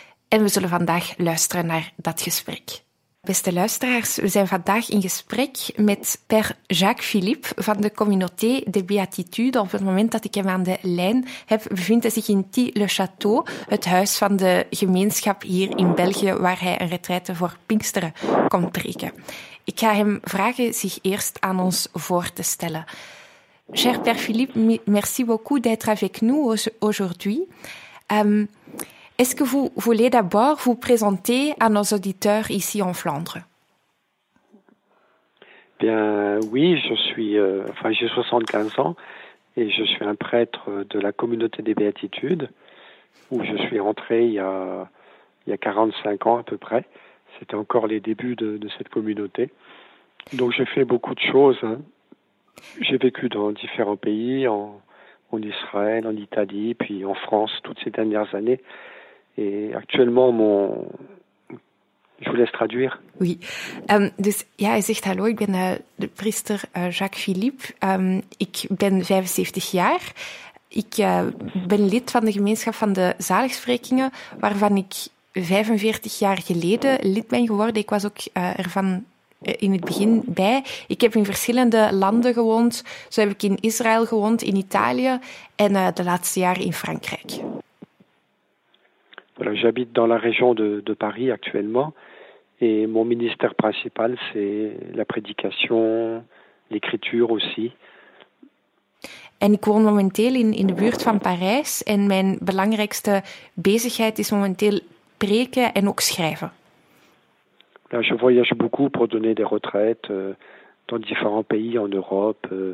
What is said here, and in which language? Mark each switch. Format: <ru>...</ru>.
<nl>En we zullen vandaag luisteren naar dat gesprek. Beste luisteraars, we zijn vandaag in gesprek met Père Jacques-Philippe van de Communauté de Béatitude. Op het moment dat ik hem aan de lijn heb, bevindt hij zich in Thie-le-Château, het huis van de gemeenschap hier in België, waar hij een retraite voor Pinksteren komt trekken. Ik ga hem vragen zich eerst aan ons voor te stellen.</nl> <fr>Cher Père Philippe, merci beaucoup d'être avec nous aujourd'hui. Est-ce que vous voulez d'abord vous présenter à nos auditeurs ici en Flandre? Bien, oui, je suis, j'ai 75 ans et je suis un prêtre de la communauté des Béatitudes où je suis entré il y a 45 ans à peu près. C'était encore les débuts de cette communauté. Donc j'ai fait beaucoup de choses. Hein. J'ai vécu dans différents pays, en Israël, en Italie, puis en France toutes ces dernières années. Et actuellement, je vous laisse traduire. Oui.</fr> <nl>Ja, hij zegt hallo, ik ben de priester Jacques-Philippe. Ik ben 75 jaar. Ik ben lid van de gemeenschap van de zaligsprekingen, waarvan ik 45 jaar geleden lid ben geworden. Ik was ook ervan in het begin bij. Ik heb in verschillende landen gewoond. Zo heb ik in Israël gewoond, in Italië en de laatste jaren in Frankrijk.</nl> <fr>Voilà, j'habite dans la région de Paris actuellement et mon ministère principal, c'est la prédication, l'écriture aussi.</fr> <nl>En ik woon momenteel in de buurt van Parijs en mijn belangrijkste bezigheid is momenteel preken en ook schrijven.</nl> <fr>Voilà, je voyage beaucoup pour donner des retraites dans différents pays en Europe.</fr>